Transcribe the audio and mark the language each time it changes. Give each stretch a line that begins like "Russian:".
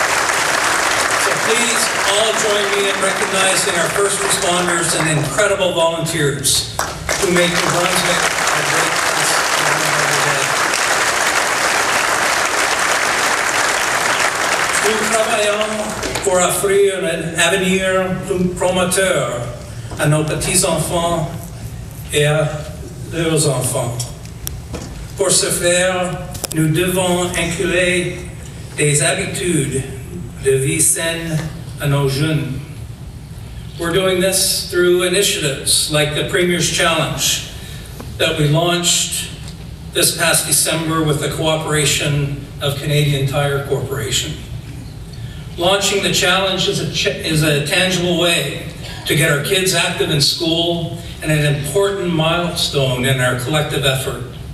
English: So please all join me in recognizing our first responders and incredible volunteers who make New Brunswick a great place to live every day.
French: Nous travaillons pour offrir un avenir prometteur à nos petits enfants et à leurs enfants. Pour ce faire, nous devons inculquer des habitudes de vie saine à nos jeunes.
English: We're doing this through initiatives like the Premier's Challenge that we launched this past December with the cooperation of Canadian Tire Corporation. Launching the challenge is a tangible way to get our kids active in school and an important milestone in our collective effort.